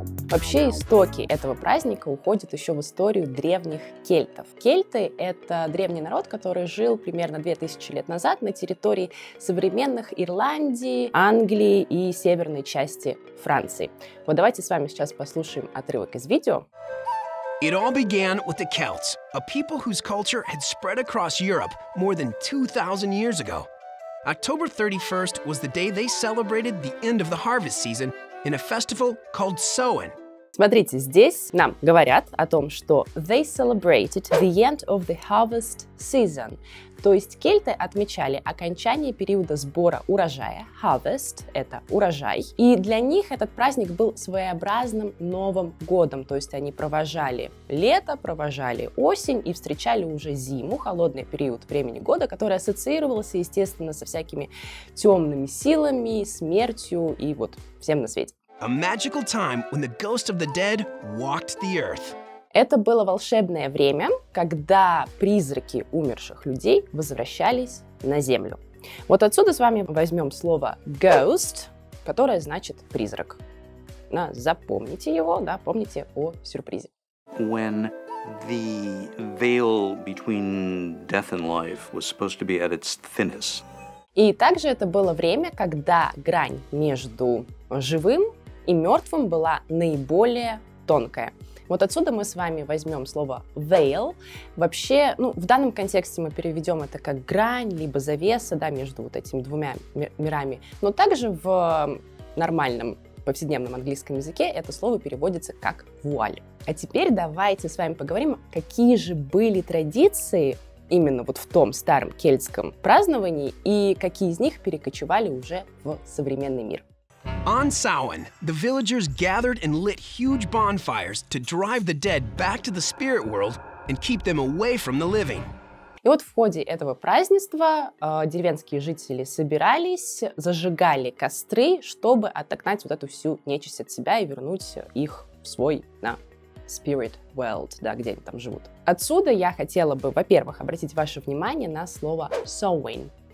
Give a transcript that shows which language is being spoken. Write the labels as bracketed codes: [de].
[ru] Вообще истоки этого праздника уходят еще в историю древних кельтов. Кельты — это древний народ, который жил примерно 2000 лет назад на территории современных Ирландии, Англии и северной части Франции. Вот давайте с вами сейчас послушаем отрывок из видео. [en] It all began with the Celts, a people whose culture had spread across Europe more than 2000 years ago. October 31st was the day they celebrated the end of the harvest season in a festival called Samhain. [ru] Смотрите, здесь нам говорят о том, что [en] they celebrated the end of the harvest season. [ru] То есть кельты отмечали окончание периода сбора урожая. Harvest — это урожай. И для них этот праздник был своеобразным новым годом. То есть они провожали лето, провожали осень и встречали уже зиму, холодный период времени года, который ассоциировался, естественно, со всякими темными силами, смертью и вот всем на свете. [en] A magical time when the ghost of the dead walked the earth. [ru] Это было волшебное время, когда призраки умерших людей возвращались на землю. Вот отсюда с вами возьмем слово ghost, которое значит призрак. Да, запомните его, да, помните о сюрпризе. [en] When the veil between death and life was supposed to be at its thinnest. [ru] И также это было время, когда грань между живым и мертвым была наиболее тонкая. Вот отсюда мы с вами возьмем слово veil. Вообще, ну, в данном контексте мы переведем это как грань, либо завеса, да, между вот этими двумя мирами. Но также в нормальном повседневном английском языке это слово переводится как вуаль. А теперь давайте с вами поговорим, какие же были традиции именно вот в том старом кельтском праздновании и какие из них перекочевали уже в современный мир. [en] On Samhain, the villagers gathered and lit huge bonfires to drive the dead back to the spirit world and keep them away from the living. [ru] И вот в ходе этого празднества деревенские жители собирались, зажигали костры, чтобы отогнать вот эту всю нечисть от себя и вернуть их в свой, да, spirit world, да, где они там живут. Отсюда я хотела бы, во-первых, обратить ваше внимание на слово Samhain.